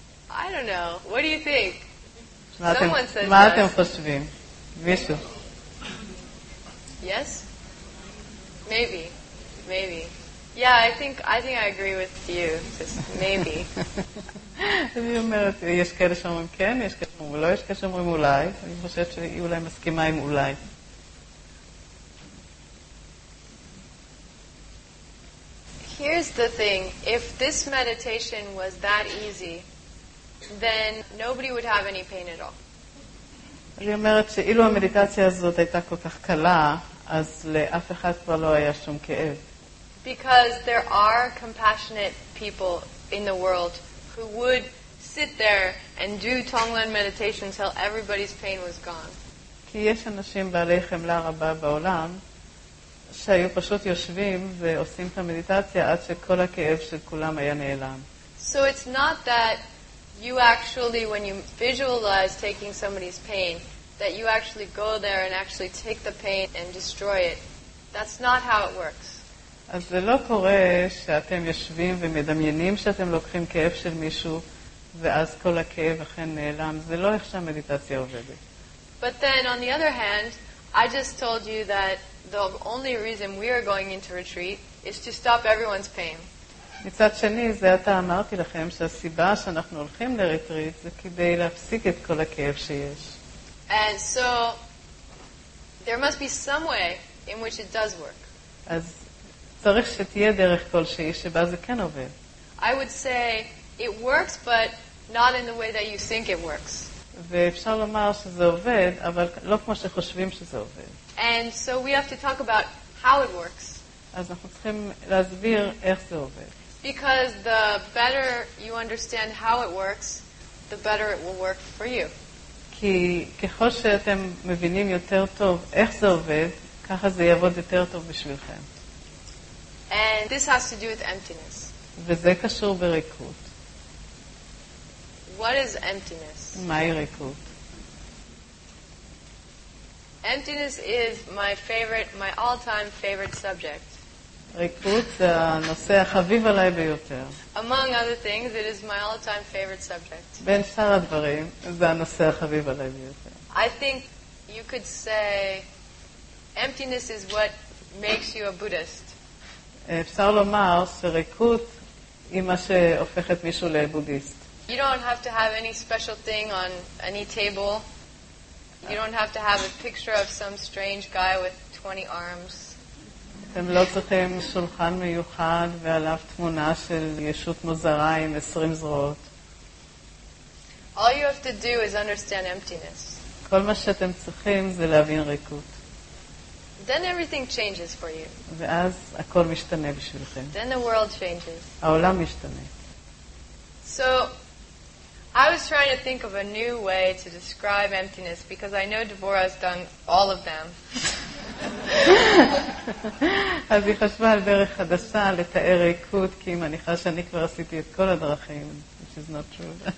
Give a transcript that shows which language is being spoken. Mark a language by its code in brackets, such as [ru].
[en] I don't know. What do you think? [he] מה אתם חושבים? מישהו? [en] Yes? Maybe. Maybe. Yeah, I think I agree with you. Maybe. [he] אני אומרת, יש כאלה שאומרים כן, יש כאלה שאומרים לא, יש כאלה שאומרים אולי. אני חושבת שהיא אולי מסכימה עם אולי. [en] Here's the thing. If this meditation was that easy, then nobody would have any pain at all. [he] היא אומרת שאילו המדיטציה הזאת הייתה כל כך קלה, אז לאף אחד כבר לא היה שום כאב. [en] Because there are compassionate people in the world who would sit there and do tonglen meditation till everybody's pain was gone. [he] כי יש אנשים בעלי חמלה רבה בעולם שהיו פשוט יושבים ועושים את המדיטציה עד שכל הכאב של כולם היה נעלם. [en] So it's not that you actually when you visualize taking somebody's pain that you actually go there and actually take the pain and destroy it. That's not how it works. [he] אז זה לא קורה שאתם יושבים ומדמיינים שאתם לוקחים כאב של מישהו ואז כל הכאב אכן נעלם. זה לא איך שהמדיטציה עובדת. [en] But then on the other hand I just told you that the only reason we are going into retreat is to stop everyone's pain. [he] מצד שני, זה אתה אמרתי לכם שהסיבה שאנחנו הולכים לריטריט זה כדי להפסיק את כל הכאב שיש. [en] And so there must be some way in which it does work. [he] אז צריך שתהיה דרך כלשהי שבה זה כן עובד. [en] I would say it works but not in the way that you think it works. [he] ואפשר לומר שזה עובד, אבל לא כמו שחושבים שזה עובד. [en] And so we have to talk about how it works. [he] אז אנחנו צריכים להסביר איך זה עובד. [en] Because the better you understand how it works, the better it will work for you. [he] כי ככל שאתם מבינים יותר טוב איך זה עובד, ככה זה יעבוד יותר טוב בשבילכם. [en] And this has to do with emptiness. [he] וזה קשור בריקות. [en] What is emptiness? [he] מהי ריקות? [en] Emptiness is my favorite, my all-time favorite subject. [he] ריקות זה הנושא החביב עליי ביותר. [en] Among other things, it is my all-time favorite subject. [he] בין שאר הדברים, זה הנושא החביב עליי ביותר. [en] I think you could say emptiness is what makes you a Buddhist. [he] אפשר לומר שריקות היא מה שהופכת מישהו לבודיסט. [en] You don't have to have any special thing on any table. You don't have to have a picture of some strange guy with 20 arms. [he] אתם לא צריכים שולחן מיוחד ועליו תמונה של ישות מוזרה עם 20 זרועות. [en] All you have to do is understand emptiness. [he] כל מה שאתם צריכים זה להבין ריקות. [en] Then everything changes for you. [he] ואז הכל משתנה בשבילכם. [en] Then the world changes. [he] העולם משתנה. [en] So I was trying to think of a new way to describe emptiness because I know Devorah has done all of them. [he] אז היא חשבה על דרך חדשה לתאר ריקות, כי היא מניחה שאני כבר עשיתי את כל הדרכים, [en] which is not true.